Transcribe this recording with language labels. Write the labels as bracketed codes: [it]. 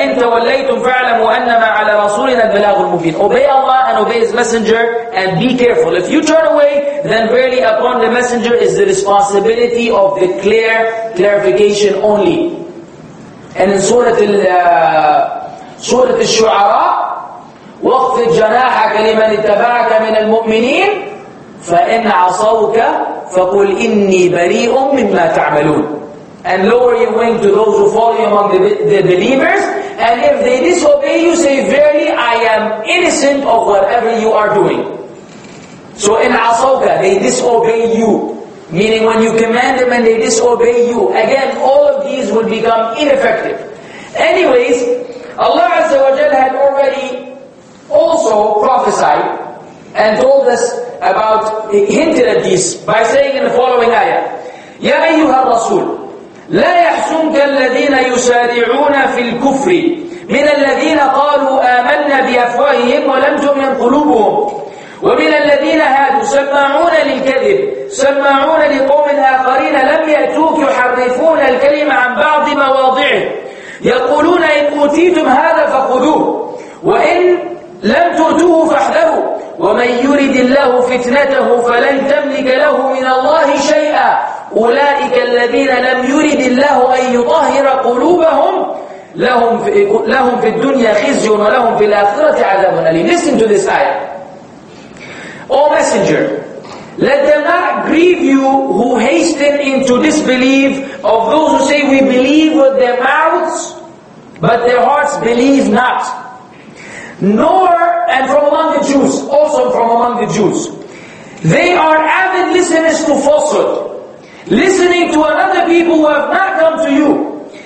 [ar] فإن توليتم فاعلموا أنما على رسولنا البلاغ المبين. [en] Obey Allah and obey His Messenger and be careful. If you turn away, then verily upon the Messenger is the responsibility of the clear clarification only. And in Surah Al-Shu'ara, [ar] واخفض جناحك لمن اتبعك من المؤمنين فإن عصوك فقل إني بريء مما تعملون. [en] And lower your wing to those who follow you among the believers. And if they disobey you, say, verily, I am innocent of whatever you are doing. So in asawka, they disobey you. Meaning when you command them and they disobey you. Again, all of these will become ineffective. Anyways, Allah Azza wa Jalla had already also prophesied and told us about, hinted at this by saying in the following ayah, [ar] يَا أَيُّهَا الرَّسُولُ لا يحزنك الذين يسارعون في الكفر من الذين قالوا آمنا بأفواههم ولم تؤمن قلوبهم ومن الذين هادوا سماعون للكذب سماعون لقوم آخرين لم يأتوك يحرفون الكلم عن بعض مواضعه يقولون إن أوتيتم هذا فخذوه وإن لم تؤتوه فاحذروا ومن يرد الله فتنته فلن تملك له من الله شيئا أولئك الذين لم يرد الله أن يطهر قلوبهم لهم في الدنيا خزي ولهم في الآخرة عذاب أليم. [en] Listen to this ayah. O messenger, let them not grieve you who hasten into disbelief of those who say we believe with their mouths but their hearts believe not. Nor, and from among the Jews, also from among the Jews, they are avid listeners to falsehood, listening to another people who have not come to you.